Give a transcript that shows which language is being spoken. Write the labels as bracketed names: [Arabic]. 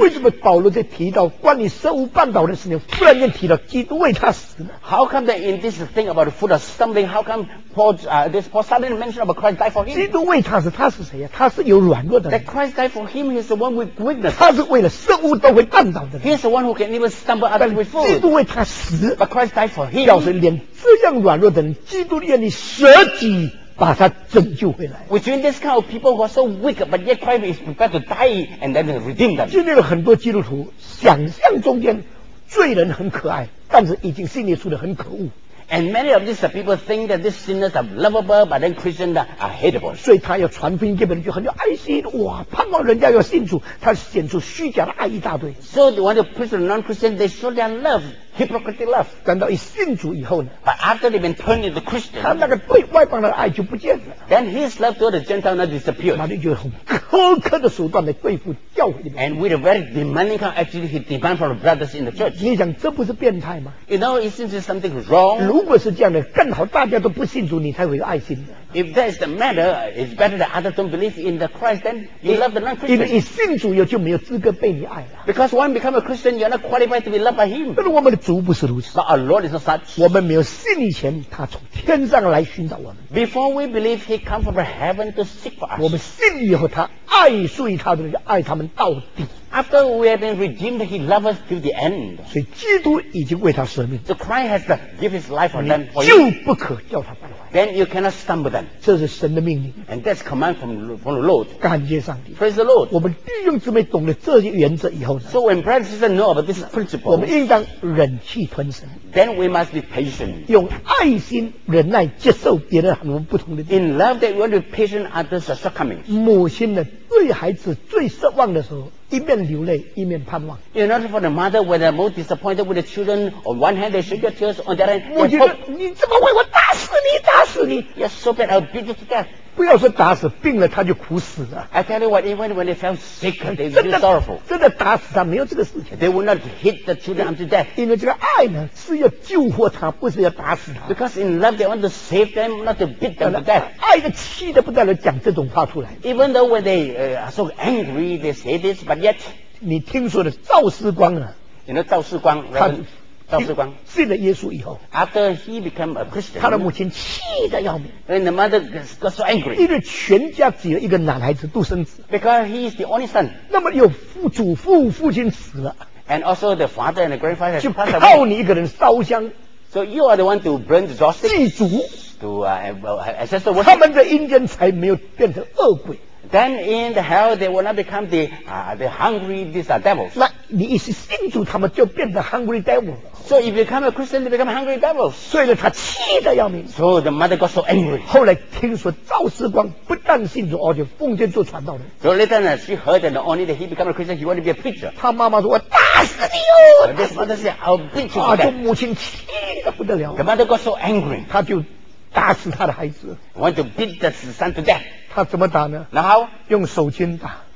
[Chinese] 为什么保罗在提到关于食物绊倒的事情，突然间提到基督为他死呢 [English] ？How come that in this thing about food or something, how come Paul suddenly mention about Christ died for him? [Chinese] 基督为他死，他是谁呀？他是有软弱的人。 [English] That Christ died for him, he is the one with weakness. [Chinese] 他是为了食物都会绊倒的人。 [English] He is the one who can even stumble out with food. [Chinese] 基督为他死 [English] ，But Christ died for him. [Chinese] 表示连这样软弱的人，基督愿意舍己。把他拯救回来。 [English] Between this kind of people who are so weak, but yet Christ is prepared to die and then redeem them. [Chinese] 今天的很多基督徒想象中间罪人很可爱，但是已经心里处得很可恶。 [English] And many of these people think that these sinners are lovable, but then Christians are hateable. [Chinese] 所以他要传福音给别人就很有爱心，哇，盼望人家要信主，他显出虚假的爱一大堆。 [English] So they want to preach to non-Christians, they show their love. Hypocritical love. [Chinese] 等到一信主以后呢 [English] ？But after they've been turned into Christian, [Chinese] 他那个对外邦人的爱就不见了。 [English] Then his love to the Gentile now disappeared. [Chinese] 那就用很苛刻的手段来对付教会里面。 [English] And with a very demanding kind of attitude, he demands from the brothers in the church. [Chinese] 你想这不是变态吗 [English] ？You know, isn't this something wrong? [Chinese] 如如果是这样的，更好大家都不信主，你才会有爱心。 [English] If that is the matter, it's better that others don't believe in the Christ, then you love the non-Christian. [Chinese] 因为你信主以后就没有资格被你爱了。 [English] Because when become a Christian, you're not qualified to be loved by Him. [Chinese] 但是我们的主不是如此。 [English] But our Lord is not such. [Chinese] 我们没有信以前，他从天上来寻找我们。 [English] Before we believe, He come from heaven to seek for us. [Chinese] 我们信以后，他爱，所以他就爱他们到底。 [English] After we have been redeemed, He loved us till the end. [Chinese] 所以基督已经为他舍命。 [English] So Christ has to give His life for them. [Chinese] 你就不可叫他败坏。 [English] Then you cannot stumble them. [Chinese] 这是神的命令。 [English] And that's command from the Lord. [Chinese] 感谢上帝。 [English] Praise the Lord. [Chinese] 我们弟兄姊妹懂了这些原则以后呢 [English] ？So when brothers and sisters know about this principle, [Chinese] 我们应当忍气吞声。 [English] Then we must be patient. [Chinese] 用爱心忍耐接受别人我们不同的。 [English] In love, that we want to be patient at the shortcomings. [Chinese] 母亲呢？对孩子最失望的时候，一面流泪，一面盼望。 [English] You know, for the mother, when they're most disappointed with the children, on one hand they shed their tears, on the other hand, [Chinese] 我觉得你这么坏，我打死你，打死你 [English] ！You're so bad, I'll beat you to death. [Chinese] 不要说打死，病了他就苦死了。 [English] I tell you what, even when they felt sick, they were really sorrowful. [Chinese] 真的打死他没有这个事情。 [English] They will not hit the children until death. [Chinese] 因为这个爱呢，是要救活他，不是要打死他。 [English] Because in love, they want to save them, not to beat them to death. [Chinese] 爱的气的不在了，讲这种话出来。 [English] Even though when they so angry, they say this, but yet, [Chinese] 你听说的赵世光啊，你那赵世光，他赵世光信了耶稣以后 [English] ，after he became a Christian， [Chinese] 他的母亲气得要命 [English] ，and the mother got so angry， [Chinese] 因为全家只有一个男孩子独生子 [English] ，because he is the only son， [Chinese] 那么有父亲死了 [English] ，and also the father and the grandfather， [Chinese] 就靠你一个人烧香 [English] ，so you are the one to burn the joss， [Chinese] 祭祖 [English] ，to assess the [Chinese] worship， 他们的阴间才没有变成恶鬼。 [English] Then in the hell they will not become the hungry these are devils. [Chinese] 那你一信主，他们就变成 [English] hungry devil. So if you become a Christian, they become hungry devils. [Chinese] 所以呢，他气得要命。 [English] So the mother got so angry. [Chinese] 后来听说赵世光不但信主，而且奉献做传道人。 [English] So later呢 she heard that only that he became a Christian, he wanted to be a preacher. [Chinese] 他妈妈说：“我打死你哟！” [English] The mother said, "I'll beat you." [Chinese] 啊，就母亲气得不得了。 [English] The mother got so angry. [Chinese] 他就打死他的孩子。 [English] Want to beat the son to death. [Chinese] 他怎么打呢？然后用手巾打。